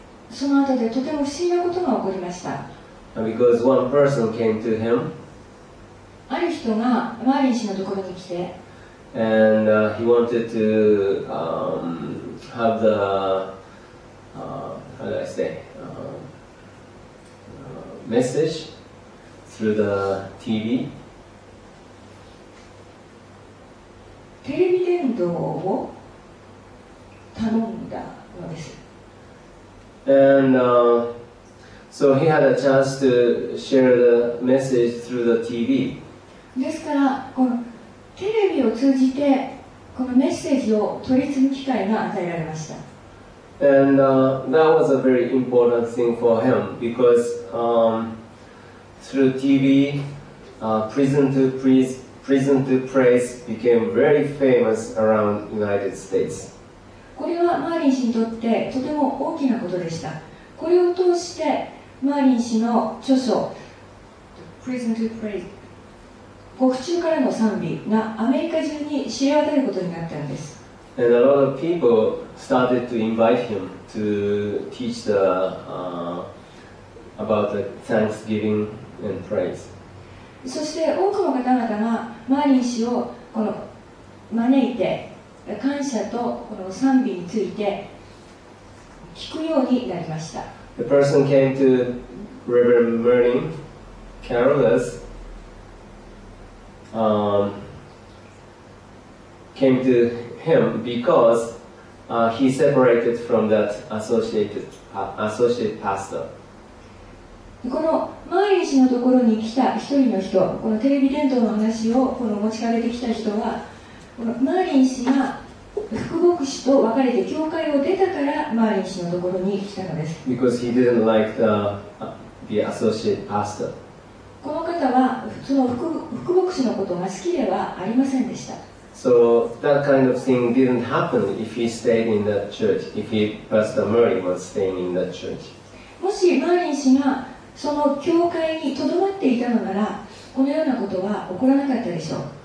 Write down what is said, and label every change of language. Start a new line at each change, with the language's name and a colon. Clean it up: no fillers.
Japanese: その後でとても不思議なことが起こりました。
English: Because one person came to him.
Japanese: ある人がマーリン氏のところに来て、
English: and he wanted to have the how do I say message through the TV.
Japanese: テレビ伝道を頼んだのです。
English: And, so he had a chance to share the message through the TV.
Japanese: ですから、このテレビを通じてこのメッセージを取り次ぐ機会が与えられました。
English: And that was a very important thing for him because through TV, Prison to Praise became very famous around the United States.
Japanese: これはマーリン氏にとってとても大きなことでした。これを通してマーリン氏の著書 Prison to Praise 獄中からの賛美がアメリカ中に知れ渡ることになったんです。
English: And a lot of people started to invite him to teach the, about the thanksgiving and praise.
Japanese: そして多くの方々がマーリン氏をこの招いて感謝とこの賛美について聞くようになりました。
English: The person came to Reverend Merlin Carolus, came to him because he separated from that associate pastor.
Japanese: このマーリン氏のところに来た一人の人、このテレビ伝道の話をこの持ちかけてきた人は、このマーリン氏が副牧師と別れて教会を出たからマーリン氏のところに来たのです。
English: Because he didn't like the associate pastor.
Japanese: この方はその副牧師のことが好きではありませんでした。
English: So that kind of thing didn't happen if he stayed in that church, if he, Pastor Murray was staying in that church.
Japanese: もしマーリン氏がその教会にとどまっていたのなら、このようなことは起こらなかったでしょう。